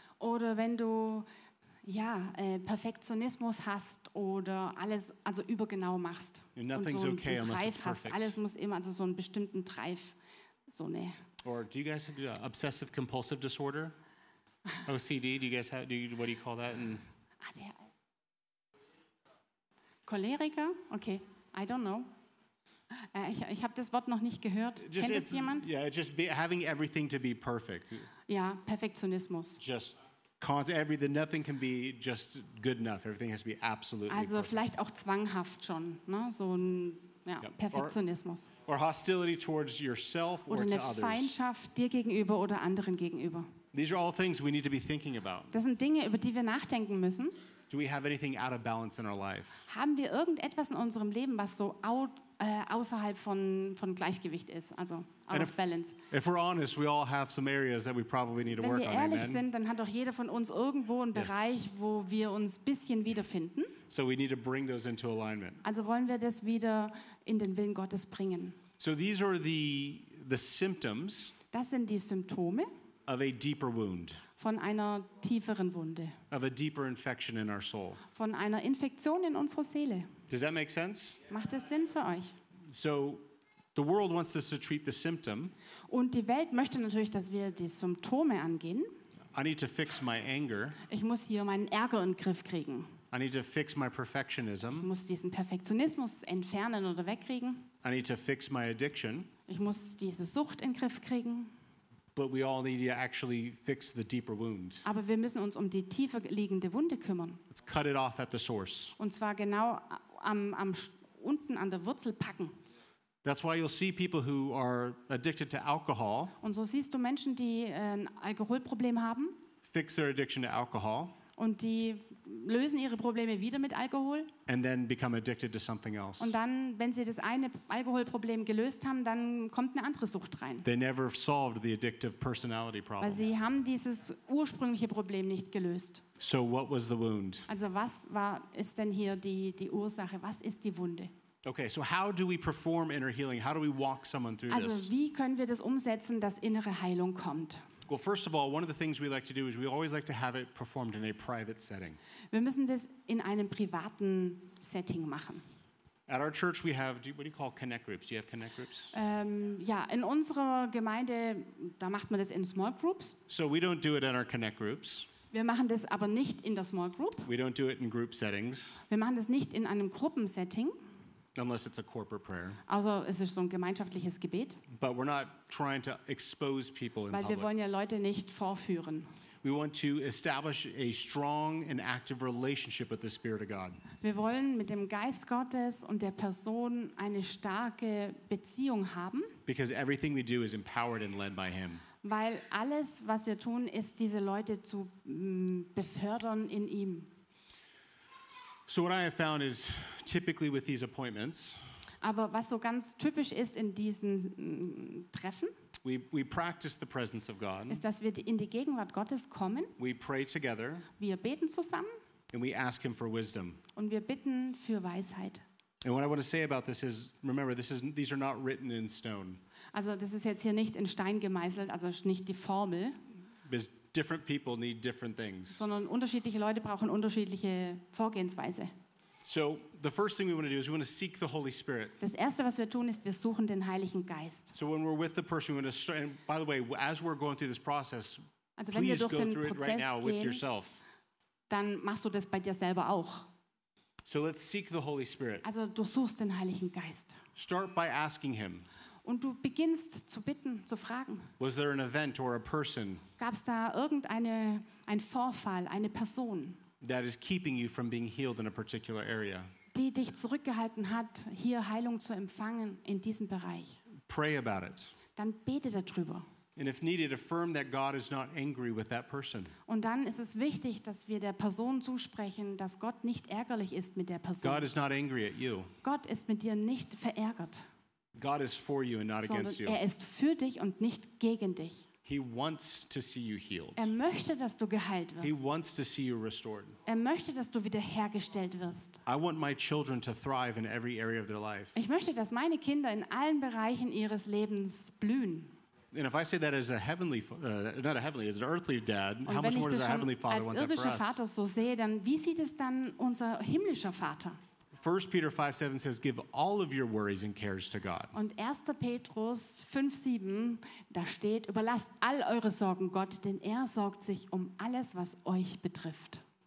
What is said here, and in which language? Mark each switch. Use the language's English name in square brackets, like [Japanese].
[German] Oder wenn du Perfektionismus hast oder alles also übergenau machst. [English] Nothing's so okay unless it's perfect. [German] Alles muss immer also so einen bestimmten Drive, so eine. [English] Or do you guys have obsessive compulsive disorder? OCD, do you guys have, what do you call that? [German] Choleriker? [English] Okay, I don't know. [German] Ich habe das Wort noch nicht gehört. [English] Just [German] kennt es jemand? [English] Yeah, just having everything to be perfect. [German] Ja, Perfektionismus. [English] Just nothing can be just good enough. Everything has to be absolutely [German] also [English] perfect. [German] Vielleicht auch zwanghaft schon, ne? So ein, Ja, yep. Perfektionismus. [English] Or hostility towards yourself [German] oder [English] or to others. [German] Oder eine Feindschaft dir gegenüber oder anderen gegenüber. [English] These are all things we need to be thinking about. [German] Das sind Dinge, über die wir nachdenken müssen. [English] Do we have anything out of balance in our life? [German] Haben wir irgendetwas in unserem Leben, was so außerhalb von Gleichgewicht ist, also [English] out of balance? If we're honest, we all have some areas that we probably need to work [German] Wenn wir ehrlich [English] on, [German] sind, dann hat doch jeder von uns irgendwo einen Bereich, wo wir uns bisschen wiederfinden. [English] So we need to bring those into alignment. [German] Also wollen wir das wieder in den Willen Gottes bringen. [English] So these are the symptoms. [German] Das sind die Symptome. [English] Of a deeper wound. [German] Von einer tieferen Wunde. [English] Of a deeper infection in our soul. [German] Von einer Infektion in unserer Seele. [English] Does that make sense? [German] Macht das Sinn für euch? [English] So, the world wants us to treat the symptom. [German] Und die Welt möchte natürlich, dass wir die Symptome angehen. [English] I need to fix my anger. [German] Ich muss hier meinen Ärger in den Griff kriegen. [English] I need to fix my perfectionism. [German] Ich muss diesen Perfektionismus entfernen oder wegkriegen. [English] I need to fix my addiction. [German] Ich muss diese Sucht in den Griff kriegen. [English] But we all need to actually fix the deeper wound. [German] Aber wir müssen uns um die tiefer liegende Wunde kümmern. [English] Let's cut it off at the source. [German] Und zwar genau am unten an der Wurzel packen. [English] That's why you'll see people who are addicted to alcohol. [German] Und so siehst du Menschen, die ein Alkoholproblem haben. [English] Fix their addiction to alcohol. [German] Und die lösen ihre Probleme wieder mit Alkohol. [English] And then become addicted to something else. [German] Und dann, wenn sie das eine Alkoholproblem gelöst haben, dann kommt eine andere Sucht rein. [English] They never solved the addictive personality problem. [German] Weil sie haben dieses ursprüngliche Problem nicht gelöst. [English] So what was the wound? [German] Also was war, ist denn hier die Ursache? Was ist die Wunde? [English] Okay, so how do we perform inner healing? How do we walk someone through [German] also, [English] this? [German] Also wie können wir das umsetzen, dass innere Heilung kommt? [English] Well, first of all, one of the things we like to do is we always like to have it performed in a private setting. [German] Wir müssen das in einem privaten Setting machen. [English] At our church, we have what do you call connect groups? Do you have connect groups? [German] Ja, in unserer Gemeinde, da macht man das in small groups. [English] So we don't do it in our connect groups. [German] Wir machen das aber nicht in der small group. [English] We don't do it in group settings. [German] Wir machen das nicht in einem Gruppensetting. [English] Unless it's a corporate prayer. [German] Also, es ist so ein gemeinschaftliches Gebet. [English] But we're not trying to expose people in public. [German] wir wollen ja Leute nicht vorführen. [English] We want to establish a strong and active relationship with the Spirit of God. [German] Wir wollen mit dem Geist Gottes und der Person eine starke Beziehung haben. [English] Because everything we do is empowered and led by Him. [German] Weil alles, was wir tun, ist diese Leute zu befördern in ihm. [English] So what I have found is typically with these appointments. [German] Aber was so ganz typisch ist in diesen Treffen? [English] We practice the presence of God. [German] Ist, dass wir in die Gegenwart Gottes kommen. [English] We pray together. [German] Wir beten zusammen. [English] And we ask him for wisdom. [German] Und wir bitten für Weisheit. [English] And what I want to say about this is, remember, these are not written in stone. [German] Also, das ist jetzt hier nicht in Stein gemeißelt, also nicht die Formel. [English] Because different people need different things. [German] Sondern unterschiedliche Leute brauchen unterschiedliche Vorgehensweise. [English] So the first thing we want to do is we want to seek the Holy Spirit. [German] Das erste, was wir tun, ist, wir suchen den Heiligen Geist. [English] So when we're with the person, we want to. And by the way, as we're going through this process, [German] also wenn [English] please [German] wir durch [English] go through [German] Prozess [English] it right now [German] gehen, [English] with yourself. [German] Dann machst du das bei dir selber auch. [English] So let's seek the Holy Spirit. [German] Also du suchst den Heiligen Geist. [English] Start by asking him. [German] Und du beginnst zu bitten, zu fragen. [English] Was there an event or a person? [German] Gab's da irgendeine ein Vorfall, eine Person? [English] That is keeping you from being healed in a particular area. [German] Die dich zurückgehalten hat, hier Heilung zu empfangen in diesem Bereich. [English] Pray about it. [German] Dann bete darüber. [English] And if needed, affirm that God is not angry with that person. [German] Und dann ist es wichtig, dass wir der Person zusprechen, dass Gott nicht ärgerlich ist mit der Person. [English] God is not angry at you. [German] Gott ist mit dir nicht verärgert. [English] God is for you and not against you. [German] Sondern er ist für dich und nicht gegen dich. [English] He wants to see you healed. [German] Er möchte, dass du geheilt wirst. [English] He wants to see you restored. [German] Er möchte, dass du wiederhergestellt wirst. [English] I want my children to thrive in every area of their life. [German] Ich möchte, dass meine Kinder in allen Bereichen ihres Lebens blühen. [English] And if I say that as a heavenly, not a heavenly, as an earthly dad, [German] und [English] how much more does our heavenly Father want that for us? [German] Als irdischer Vater so sehe, dann wie sieht es dann unser himmlischer Vater? [English] 1 Peter 5:7 says, "Give all of your worries and cares to God." [German] Und 1. Petrus 5:7, da steht, überlasst all eure Sorgen Gott, denn er sorgt sich um alles, was euch betrifft.